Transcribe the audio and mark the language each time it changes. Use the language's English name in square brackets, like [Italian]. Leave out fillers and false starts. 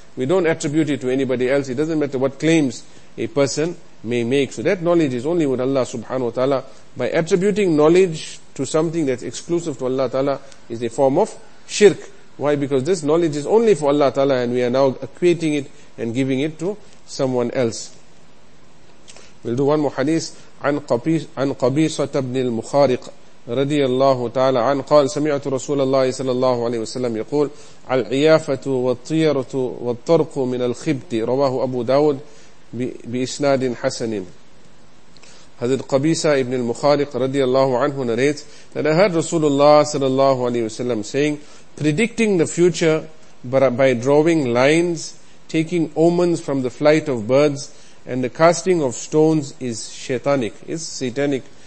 [English] We don't attribute it to anybody else. It doesn't matter what claims a person may make. So that knowledge is only with Allah subhanahu wa ta'ala. By attributing knowledge to something that's exclusive to Allah ta'ala is a form of shirk. Why? Because this knowledge is only for Allah ta'ala, and we are now equating it and giving it to someone else. We'll do one more hadith. [Arabic] عن قبيصة بن المخارق رضي الله تعالى عن قال سمعت رسول الله صلى الله عليه وسلم يقول العيافة والطيرة والطرق من الخبط رواه أبو داود بإسناد حسن. حضرت قبيصة بن المخارق رضي الله عنه [English] narrates that I heard [Arabic] رسول الله صلى الله عليه وسلم [English] saying, predicting the future by drawing lines, taking omens from the flight of birds, and the casting of stones is shaitanic, is satanic.